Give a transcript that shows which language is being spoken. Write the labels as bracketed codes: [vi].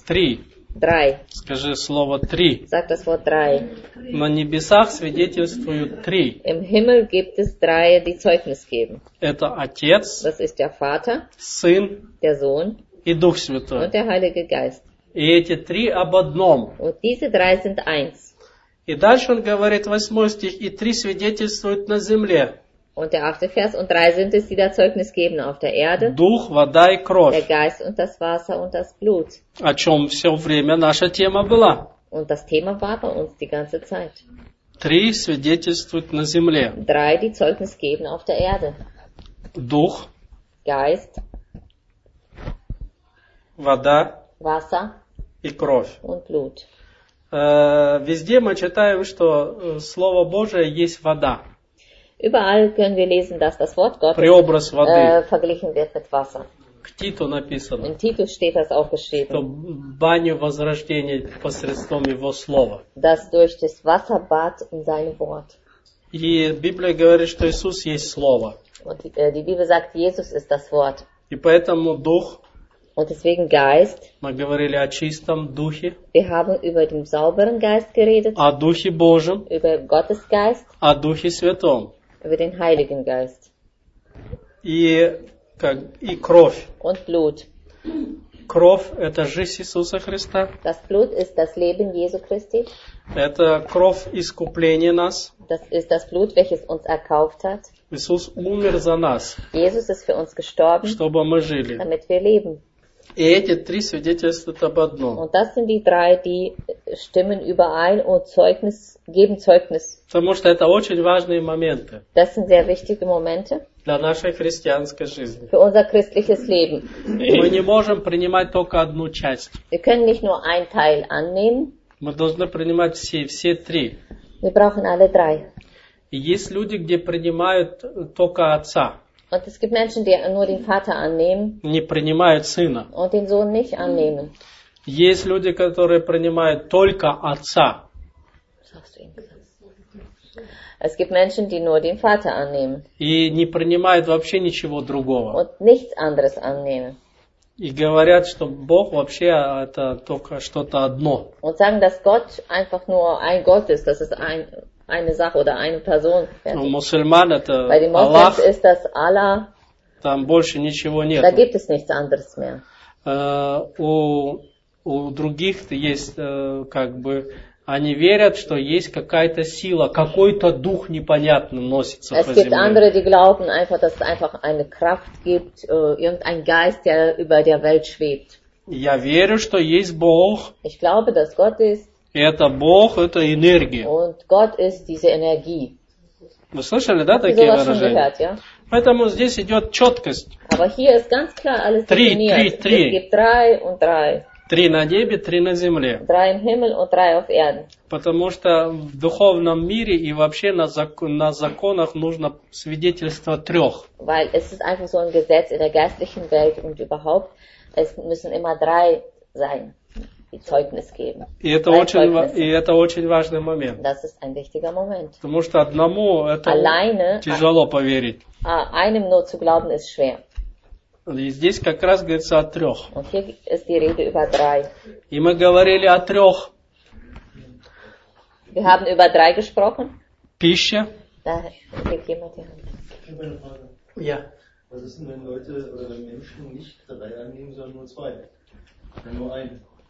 [ru] Три. [de] Drei. [ru] Скажи слово три. [de] Sag das Wort drei. [ru] На небесах свидетельствуют три. [de] Im Himmel gibt es drei, die Zeugnis geben. [ru] Это Отец. [de] Das ist der Vater. [ru] Сын. [de] Der Sohn. [ru] И Дух Святой. [de] Und der Heilige Geist. [ru] И эти три об одном. [de] Und diese drei sind eins. [ru] И дальше он говорит восьмой стих и три свидетельствуют на земле. [de] Und der achte Vers, und drei sind es, die das Zeugnis geben auf der Erde. [ru] Дух, вода и кровь. [de] Der Geist und das Wasser und das Blut. [ru] О чём всё время наша тема была. [de] Und das Thema war bei uns die ganze Zeit. [ru] Три свидетельствуют на земле. [de] Drei, die Zeugnis geben auf der Erde. [ru] Дух. [de] Geist. [ru] Вода. [de] Wasser. [ru] И кровь. [de] Und Blut. [ru] Везде мы читаем, что Слово Божие есть вода. [de] Überall können wir lesen, dass das Wort Gottes verglichen wird mit Wasser. [ru] К Титу написано. [de] In Titus steht das auch geschrieben. [ru] Что баню возрождения посредством его слова. [de] Das durch das Wasserbad in sein Wort. [ru] И Библия говорит, что Иисус есть слово. [de] Und die Bibel sagt, Jesus ist das Wort. [ru] И поэтому Дух. [de] Und deswegen Geist. [ru] Мы говорили о чистом духе. [de] Wir haben über den sauberen Geist geredet. [ru] О Духе Божьем. [de] Über Gottes Geist. [ru] О Духе Святом. [de] Über den Heiligen Geist. [ru] И кровь. [de] Und Blut. [ru] Кровь – это жизнь Иисуса Христа. [de] Das Blut ist das Leben Jesu Christi. [ru] Это кровь искупления нас. [de] Das ist das Blut, welches uns erkauft hat. [ru] Иисус умер за нас. [de] Jesus ist für uns gestorben. [ru] Чтобы мы жили. [de] Damit wir leben. [ru] И эти три свидетельствуют об одном. [de] Und das sind die drei, die stimmen überein und Zeugnis, geben Zeugnis. [ru] Потому что это очень важные моменты. [de] Das sind sehr wichtige Momente. [ru] Для нашей христианской жизни. [de] Für unser christliches Leben. [ru] Мы не можем принимать только одну часть. [de] Wir können nicht nur einen Teil annehmen. [ru] Мы должны принимать все три. [de] Wir brauchen alle drei. [ru] И есть люди, где принимают только отца. [de] Und es gibt Menschen, die nur den Vater annehmen. [ru] Не принимают сына. [de] Und den Sohn nicht annehmen. [ru] Есть люди, которые принимают только отца. [de] Es gibt Menschen, die nur den Vater annehmen. [ru] И не принимают вообще ничего другого. [de] Und nichts anderes annehmen. [ru] И говорят, что Бог вообще это только что-то одно. [de] Und sagen, dass Gott einfach nur ein Gott ist, dass es ein eine Sache oder eine Person. [ru] Ну, мусульман это [de] Bei den Moslems [ru] Аллах, [de] ist das Allah. [ru] Там больше ничего нет. [de] Da gibt es nichts anderes mehr. [ru] У других есть как бы они верят, что есть какая-то сила, какой-то дух непонятно носится [de] es [ru] по земле. [de] Es gibt andere, die glauben einfach, dass es einfach eine Kraft gibt, irgendein Geist, der über der Welt schwebt. [ru] Я верю, что есть Бог. [de] Ich glaube, dass Gott ist. [ru] И это Бог, это энергия. [de] Und Gott ist diese Energie. [ru] Вы слышали, да, такие выражения? [de] Gehört, ja? [ru] Поэтому здесь идет четкость. [de] Aber hier ist ganz klar alles definiert. [ru] Три. [de] Es gibt drei und drei. [ru] Три на небе, три на земле. [de] Drei im Himmel und drei auf Erden. [ru] Потому что в духовном мире и вообще на законах нужно свидетельство трех. [de] Weil es ist einfach so ein Gesetz in der geistlichen Welt und überhaupt, es müssen immer drei sein. Zeugnis geben. [ru] Это очень важный момент. [de] Das ist ein wichtiger Moment. [ru] Потому что одному это Alleine тяжело поверить. [de] Einem nur zu glauben ist schwer. [ru] И здесь как раз говорится о трех. [de] Und hier ist die Rede über drei. [ru] И мы говорили о трех. [de] Wir haben über drei gesprochen. [ru] Пища. [de] Да, gibt jemand die Hand. Ja. Was ist denn, wenn Leute oder wenn Menschen nicht drei annehmen, sondern nur zwei? Wenn nur ein.